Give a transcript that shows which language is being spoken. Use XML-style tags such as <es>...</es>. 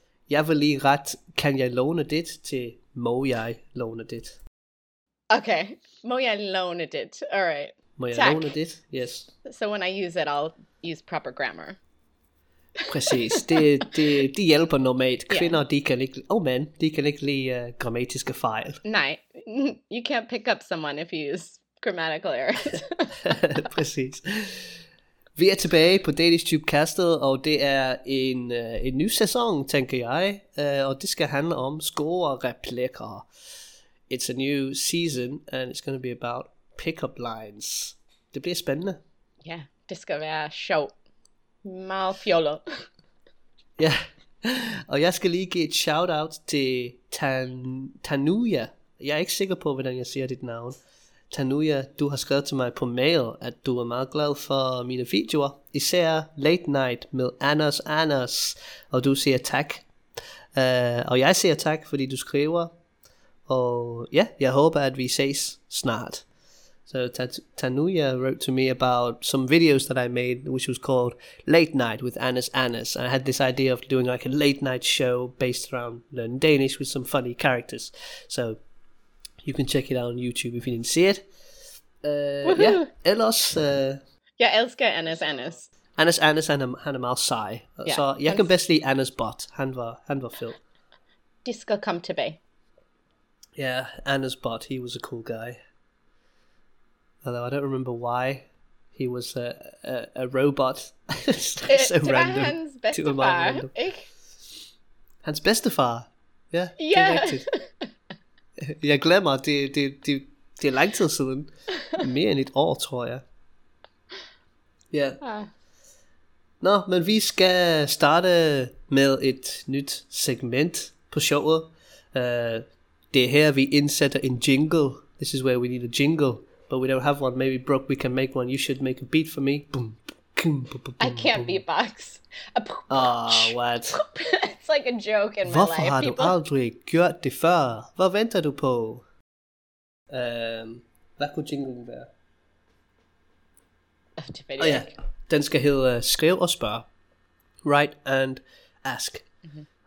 <da>Jeg vil lige rette, kan jeg låne dit til, må jeg låne dit? Okay. Må jeg låne dit?</da> <en>All right.</en> <da>Må jeg tak. Låne dit? Yes.</da> <en>So when I use it, I'll use proper grammar.</en> <da>Præcis. Det hjælper normalt. Kvinder, yeah. De kan ikke, oh man, de kan ikke lide grammatiske fejl. Nej.</da> <en>You can't pick up someone if you use grammatical errors.</en> <da>Præcis. Vi er tilbage på DanishTubeCastet, og det er en ny sæson, tænker jeg. Og det skal handle om score-replikker.</da> <en>It's a new season, and it's going to be about pick-up lines.</en> <da>Det bliver spændende. Ja, yeah, det skal være sjovt. Meget fjollet. Ja, og jeg skal lige give et shout-out til Tanuya. Jeg er ikke sikker på, hvordan jeg siger dit navn. Tanuya, du har skrevet til mig på mail, at du er meget glad for mine videoer. Især Late Night med Anders. Og du siger tak. Og jeg siger tak, fordi du skriver. Og ja, jeg håber, at vi ses snart.</da> <en>So Tanuya wrote to me about some videos that I made, which was called Late Night with Anders. I had this idea of doing like a late night show based around learning Danish with some funny characters. So you can check it out on YouTube if you didn't see it.</en> <da>Yeah, ellers. Jeg elsker Anders. Anders han er meget sej. Yeah, så jeg kan bedst lide Anders bot. Han var fed. De skal komme tilbage.</da> <en>Yeah, Anders bot. He was a cool guy. Although I don't remember why he was a robot. It's so random.</en> <da>Hans bedstefar, ikke? Hans bedstefar. Ja, yeah, yeah. Det jeg glemmer, det er lang tid siden. Mere end et år, tror jeg. Ja. Yeah. Nå, men vi skal starte med et nyt segment på showet. Det er her, vi indsætter en jingle.</da> <en>This is where we need a jingle. But we don't have one. Maybe, Brooke, we can make one. You should make a beat for me. Boom, boom, boom, boom, boom. I can't beatbox. Oh, what? It's like a joke in</en> <da>hvorfor</da> <en>my life.</en> <da>Hvorfor har du aldrig gjort det før? Hvad venter du på? Hvad kunne jinglen være? Oh, yeah. Den skal hedde skriv og spørg.</da> <en>Write and ask.</en> <da>Mm-hmm.</da>